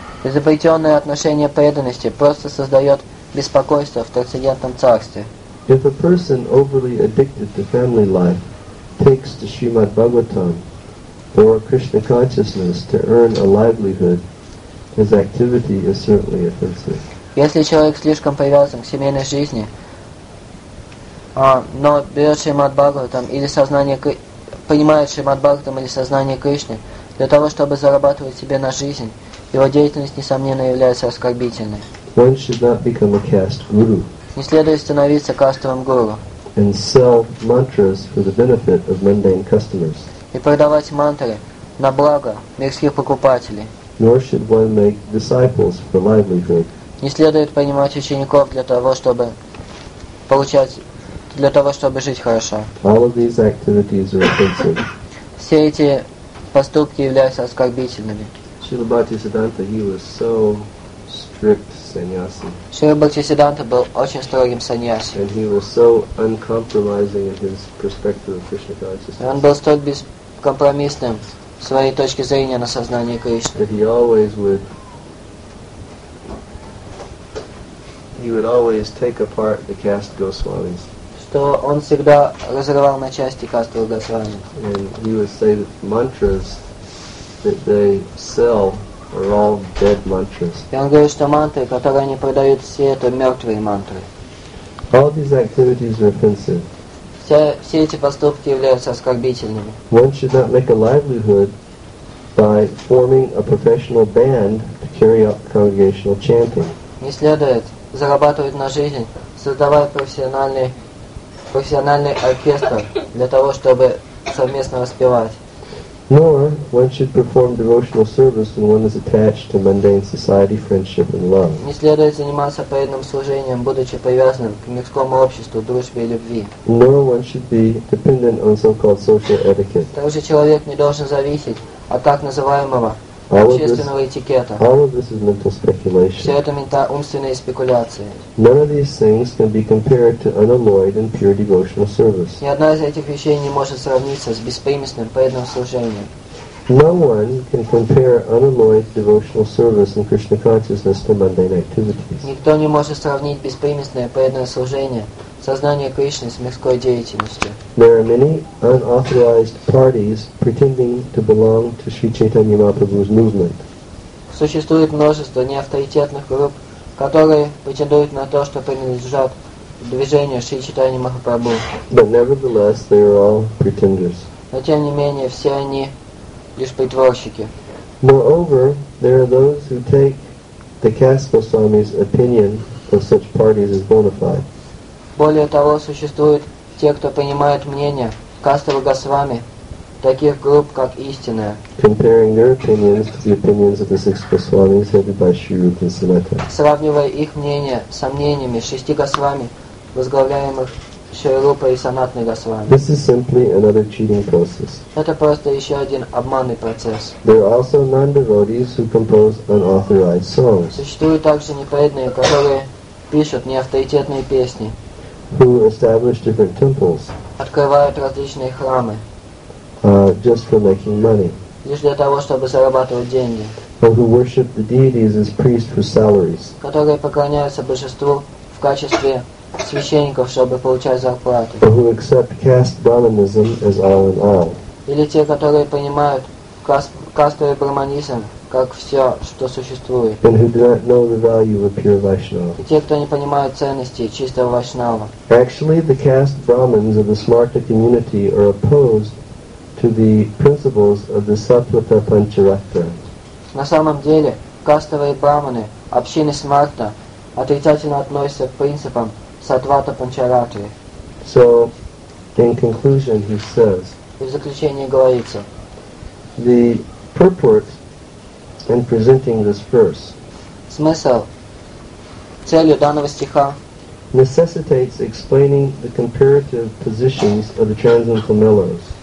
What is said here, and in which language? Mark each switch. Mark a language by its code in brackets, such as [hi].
[ru] Изобретенное отношение преданности просто создает беспокойство в трансцендентном царстве. [en] If a person overly addicted to family life takes to Srimad Bhagavatam or Krishna consciousness to earn a livelihood, his activity is certainly offensive. [ru] Если человек слишком привязан к семейной жизни, но берет Шримад Бхагаватам или сознание, понимает Шримад Бхагаватам или сознание Кришны для того, чтобы зарабатывать себе на жизнь, его деятельность, несомненно, является оскорбительной. [en] One should not become a caste guru. [ru] Не следует становиться кастовым гуру. [en] And sell mantras for the benefit of mundane customers. [ru] И продавать мантры на благо мирских покупателей. [en] Nor should one make disciples for livelihood. [ru] Не следует принимать учеников для того, чтобы получать, для того, чтобы жить хорошо. [en] All of these activities are offensive. [ru] Все эти поступки являются оскорбительными. [en] Srila Bhaktisiddhanta, he was so strict sannyasi. [ru] Srila Bhaktisiddhanta был очень строгим sannyasi. [en] And he was so uncompromising in his perspective of Krishna consciousness. [ru] Он был столь бескомпромиссным в своей точке зрения на сознание Кришны. [en] That he would always take apart the caste Goswamis. [ru] Что он всегда разрывал на части касту Госвами. [en] And he would say that mantras that they sell are all dead mantras. [ru] И он говорит, что мантры, которые они продают, все это мертвые мантры. [en] All these activities are offensive. [ru] Все эти поступки являются оскорбительными. [en] One should not make a livelihood by forming a professional band to carry out congregational chanting. [ru] Не следует зарабатывать на жизнь, создавая профессиональный оркестр для того, чтобы совместно воспевать. [en] Nor one should perform devotional service when one is attached to mundane society, friendship and love. [ru] Не следует заниматься преданным служением, будучи привязанным к мирскому обществу, дружбе и любви. [en] Nor one should be dependent on so-called social etiquette. [ru] Также человек не должен зависеть от так называемого общественного этикета. [en] All of this is mental speculation. [ru] Все это умственные спекуляции. [en] None of these things can be compared to unalloyed and pure devotional service. [ru] Ни одна из этих вещей не может сравниться с беспримесным преданным служением. [en] No one can compare unalloyed devotional service in Krishna consciousness to mundane activities. [ru] Никто не может сравнить беспримесное преданное служение сознание Кришны с мирской деятельностью. [en] There are many unauthorized parties pretending to belong to Sri Chaitanya Mahaprabhu's movement. [ru] Существует множество неавторитетных групп, которые претендуют на то, что принадлежат движению Шри Чайтанья Махапрабху. [en] But nevertheless, they are all pretenders. [ru] Но тем не менее, все они лишь притворщики. [en] Moreover, there are those who take the caste Goswami's opinion of such parties as bona fide. [ru] Более того, существуют те, кто принимает мнение кастовых Госвами, таких групп, как истинное. [en] Comparing their opinions to the opinions of the six Goswamis headed by Sri Rupa Sanatana. [ru] Сравнивая их мнение с мнениями шести Госвами, возглавляемых Шри Рупой и Санатной Госвами. [en] This is simply another cheating process. [ru] Это просто еще один обманный процесс. [en] There are also non-devotees who compose unauthorized songs. [ru] Существуют также непреданные, которые пишут неавторитетные песни. [en] Who establish different temples? [ru] Открывают различные храмы. [en] Just for making money. [ru] Лишь для того, чтобы зарабатывать деньги. [en] Or who worship the deities as priests for salaries? [ru] Которые поклоняются божеству в качестве священников, чтобы получать зарплату. [en] Or who accept caste Brahmanism as all in all? [ru] Или те, которые понимают кастовый брахманизм как все, что существует. [en] And who do not know the value of pure Vaishnava. [ru] И те, кто не понимают ценности чистого Вайшнава. [en] Actually, the caste Brahmins of the Smarta community are opposed to the principles of the Satvata Pancharatra. [ru] На самом деле, кастовые брахманы общины Смарта отрицательно относятся к принципам Сатвата Панчаратры. [en] So, in conclusion, he says, [ru] и в заключении говорится, [en] the purport in presenting this verse. [ru] Смысл, целью данного стиха [en] necessitates explaining the comparative positions of the transcendental mellows.